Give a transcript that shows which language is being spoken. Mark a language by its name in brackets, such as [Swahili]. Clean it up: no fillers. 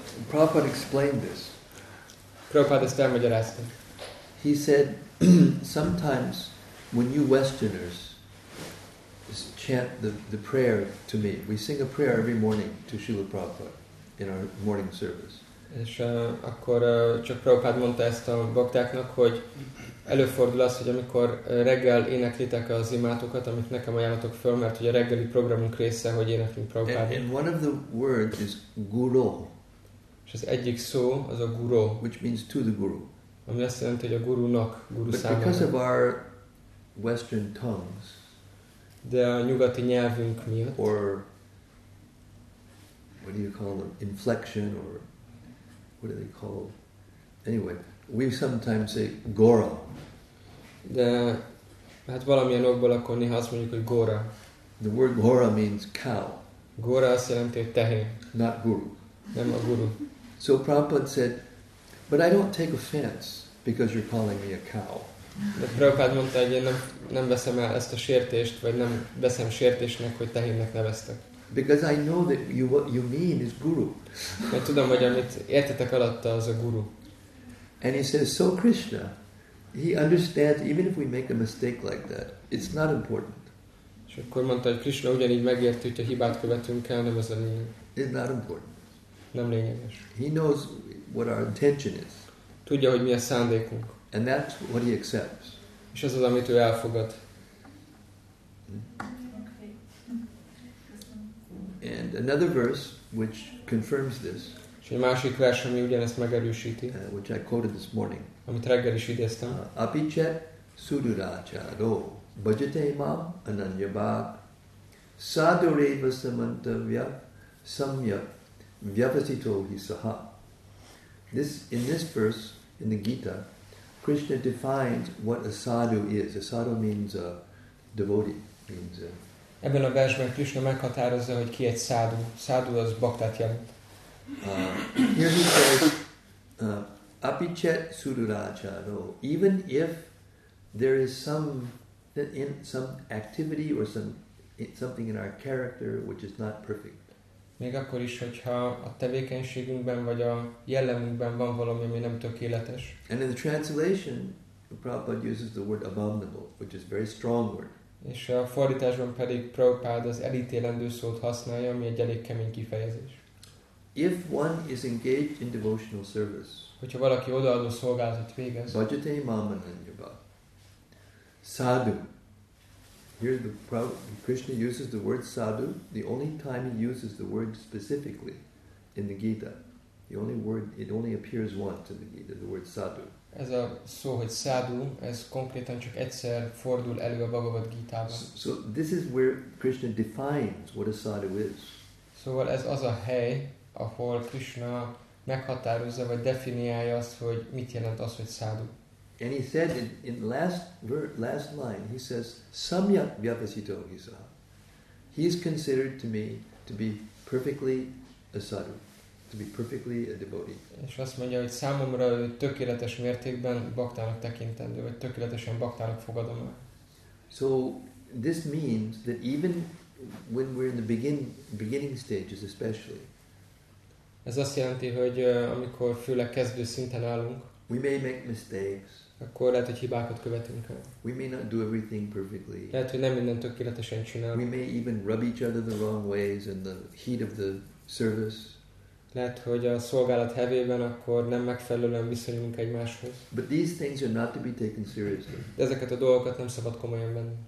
[English] Prabhupada explained this. Prabhupada stem magyar asked. He said, sometimes when you Westerners chant the prayer to me, we sing a prayer every morning to Srila Prabhupada in our morning service. [Hungarian] És akkor csak Prabhupád mondta ezt a baktáknak, hogy előfordul az, hogy amikor reggel éneklitek az imátokat, amit nekem ajánlatok föl, mert hogy a reggeli programunk része, hogy éneklünk Prabhupád. [English] And one of the words is guru. [Hungarian] És az egyik szó, az a guru. [English] Which means to the guru. [Hungarian] Ami azt jelenti, hogy a gurunak, guru számára. [English] But because of our western tongues, [Hungarian] de a nyugati nyelvünk miatt, [English] or what do you call them, inflection, or what do they call? Anyway, we sometimes say Gora. [Hungarian] De hát valamilyen okból akkor néha azt mondjuk, hogy Gora. [English] The word Gora means cow. [Hungarian] Gora azt jelenti, hogy tehén. [English] Not guru. [Hungarian] Nem a guru. [English] So Prabhupada said, but I don't take offense because you're calling me a cow. [Hungarian] De Prabhupada mondta, hogy én nem veszem el ezt a sértést, vagy nem veszem sértésnek, hogy tehénnek neveztek. [English] Because I know that what you mean is guru. [Hungarian] Mert tudom, hogy amit értetek alatta, az a guru. [English] And he says, so Krishna, he understands, even if we make a mistake like that, it's not important. [Hungarian] És akkor mondta, hogy Krishna ugyanígy megérti, hogyha hibát követünk el, nem az a lényeg. [English] It's not important. [Hungarian] Nem lényeges. [English] He knows what our intention is. [Hungarian] Tudja, hogy mi a szándékunk. [English] And that's what he accepts. [Hungarian] És az az, amit ő elfogad. [English] And another verse which confirms this. [Hungarian] És egy másik vers, ami ugyanezt megerősíti. [English] Which I quoted this morning. [Hungarian] Amit reggel is idéztem. [Sanskrit] Apichet sudurácharo bhajate mam ananyabhav sadureva samantavya samyak vyapasito hi saha. [English] In this verse in the Gita, Krishna defines what a sadhu is. A sadhu means a devotee. Means a [Hungarian] ebben a versben Krishna meghatározza, hogy ki egy szádu. Szádu az baktát jelent. [English] Here he says, [Sanskrit] apichet sudurácharo. [English] Even if there is some activity or something in our character which is not perfect. [Hungarian] Még akkor is, hogyha a tevékenységünkben vagy a jellemünkben van valami, ami nem tökéletes. [English] And in the translation, Prabhupada uses the word abominable, which is a very strong word. [Hungarian] És a fordításban pedig Prabhupada az elítélendő szót használja, ami egy elég kemény kifejezés. [English] If one is engaged in devotional service, [Hungarian] hogyha valaki odaadó szolgálatot végez, [Sanskrit] bhajate mam ananyabhav, sadhu. [English] Here Krishna uses the word sadhu, the only time he uses the word specifically in the Gita. The only word, it only appears once in the Gita, the word sadhu. [Hungarian] Ez a szó, hogy sadhu, ez konkrétan csak egyszer fordul elő a Bhagavad Gita-ban. [English] So this is where Krishna defines what a sadhu is. [Hungarian] Szóval ez az a hely, ahol Krishna meghatározza, vagy definiálja azt, hogy mit jelent az, hogy sadhu. [English] And he said in the last line, he says, [Sanskrit] samyak vyapasito hisa. [English] He is considered to me to be perfectly a sadhu, to be perfectly a devotee. [Hungarian] És azt mondja, hogy számomra ő tökéletes mértékben baktának tekintendő, vagy tökéletesen baktának fogadom el. [English] So this means that even when we're in the beginning stages especially, [Hungarian] ez azt jelenti, hogy amikor főleg kezdő szinten állunk, [English] we may make mistakes. [Hungarian] Akkor lehet, hogy hibákat követünk el. [English] We may not do everything perfectly. [Hungarian] Lehet, hogy nem mindent tökéletesen csinálunk. [English] We may even rub each other the wrong ways in the heat of the service. [Hungarian] Lehet, hogy a szolgálat hevében akkor nem megfelelően viszonyulunk egymáshoz. [English] But these things are not to be taken seriously. [Hungarian] De ezeket a dolgokat nem szabad komolyan venni.